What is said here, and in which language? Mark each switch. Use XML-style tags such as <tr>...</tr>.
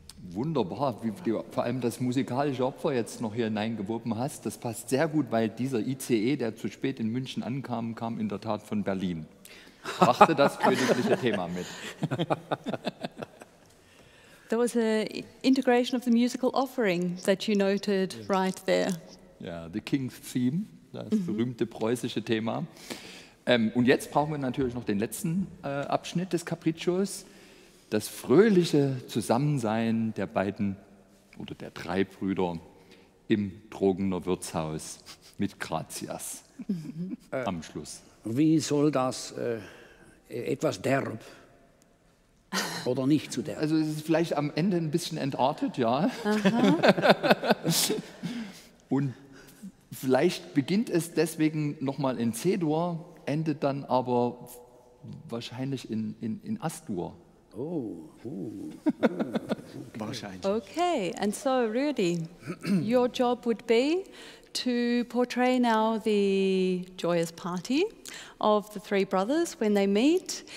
<de>Wunderbar, wie du vor allem das musikalische Opfer jetzt noch hier hineingewoben hast. Das passt sehr gut, weil dieser ICE, der zu spät in München ankam, kam in der Tat von Berlin. Brachte das königliche Thema mit.</de> <en>There was an integration of the musical offering that you noted right there.</en> <de>Ja,</de> <en>the King's Theme,</en> <de>das berühmte preußische Thema. Und jetzt brauchen wir natürlich noch den letzten Abschnitt des Capriccios. Das fröhliche Zusammensein der beiden oder der drei Brüder im Trogener Wirtshaus mit Gratias am Schluss. Wie soll das etwas derb oder nicht zu derb? Also es ist vielleicht am Ende ein bisschen entartet, ja. Und vielleicht beginnt es deswegen nochmal in C-Dur, endet dann aber wahrscheinlich in Astur. Wahrscheinlich.</de> <en>Okay, and so Rudy, your job would be to portray now the joyous party of the three brothers when they meet.</en>